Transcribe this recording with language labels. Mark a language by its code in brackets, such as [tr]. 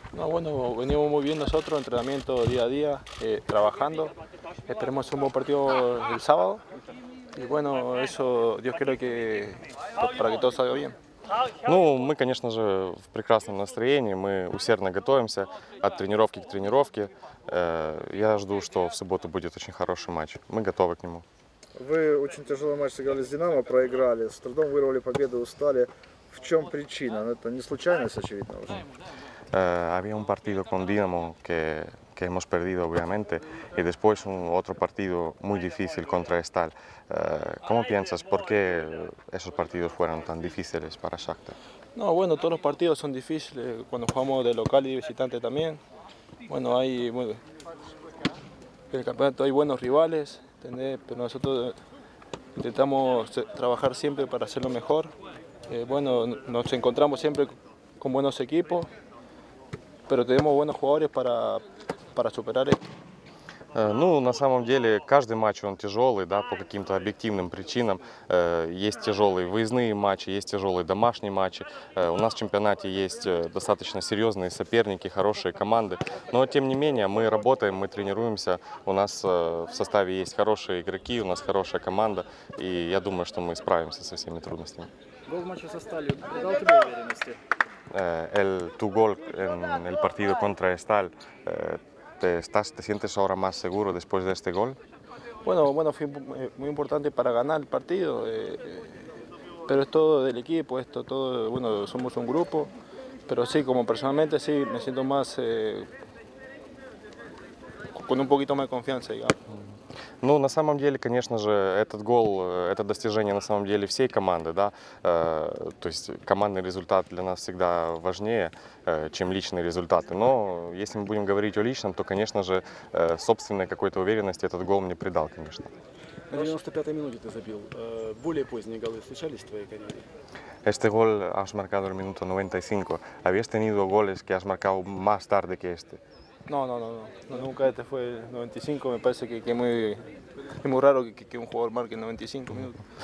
[es] bueno, venimos muy bien nosotros, entrenamiento día a día, trabajando. Esperemos un buen partido el sábado. И, bueno, eso, Dios quiere que, para que todo salga bien. [ru] Ну, мы, конечно же, в прекрасном настроении, мы усердно готовимся от тренировки к тренировке. Я жду, что в субботу будет очень хороший матч. Мы готовы к нему. Вы очень тяжелый матч сыграли с «Динамо», проиграли, с трудом вырвали победу, устали. В чем причина? Это не случайность, очевидно, уже. [es] Había un partido con Dinamo que hemos perdido, obviamente, y después otro partido muy difícil contra Estal. ¿Cómo piensas? ¿Por qué esos partidos fueron tan difíciles para Shakhtar? No, bueno, todos los partidos son difíciles, cuando jugamos de local y de visitante también. Bueno, hay, bueno, en el campeonato hay buenos rivales, ¿entendés? Pero nosotros intentamos trabajar siempre para hacerlo mejor. Bueno, nos encontramos siempre con buenos equipos, pero tenemos buenos jugadores para superar esto. [ru] Ну, на самом деле, каждый матч, он тяжелый, да, по каким-то объективным причинам. Есть тяжелые выездные матчи, есть тяжелые домашние матчи. У нас в чемпионате есть достаточно серьезные соперники, хорошие команды. Но, тем не менее, мы работаем, мы тренируемся. У нас в составе есть хорошие игроки, у нас хорошая команда. И я думаю, что мы справимся со всеми трудностями. Гол в матче со Сталью придал тебе уверенности? [es] Tu gol en el partido contra Estal, ¿te sientes ahora más seguro después de este gol? Bueno, fue muy importante para ganar el partido, pero es todo del equipo, esto todo, bueno, somos un grupo, pero sí, como personalmente sí, me siento más con un poquito más de confianza, digamos. [ru] Ну, на самом деле, конечно же, этот гол, это достижение на самом деле всей команды, да, то есть командный результат для нас всегда важнее, чем личные результаты, но если мы будем говорить о личном, то, конечно же, собственной какой-то уверенности этот гол мне придал, конечно. На 95-й минуте ты забил, более поздние голы случались в твоей карьере? [es] Este gol has marcado el minuto 95, ¿habías tenido goles que has marcado más tarde que este? No, nunca este fue 95, me parece que es muy raro que un jugador marque 95 minutos.